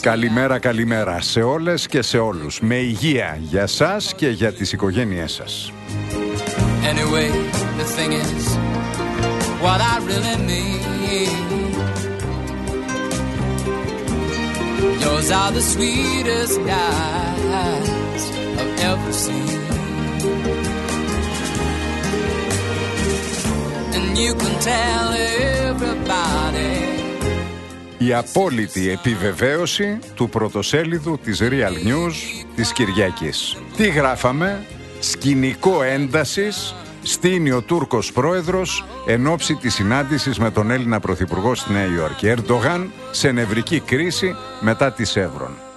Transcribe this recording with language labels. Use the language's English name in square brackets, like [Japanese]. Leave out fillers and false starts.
[Greek] Καλημέρα, καλημέρα σε όλες και σε όλους. Με υγεία για σας και για τις οικογένειές σας. [English] Anyway, the thing is, what I really mean. Yours are the sweetest eyes I've ever seen. And you can tell everybody. [Greek] Η απόλυτη επιβεβαίωση του πρωτοσέλιδου της Real News της Κυριακής. Τι γράφαμε? Σκηνικό έντασης στείνει ο Τούρκος πρόεδρος εν ώψη της συνάντησης με τον Έλληνα πρωθυπουργό στη Νέα Υόρκη. Ερντογάν σε νευρική κρίση μετά τις Εύρων.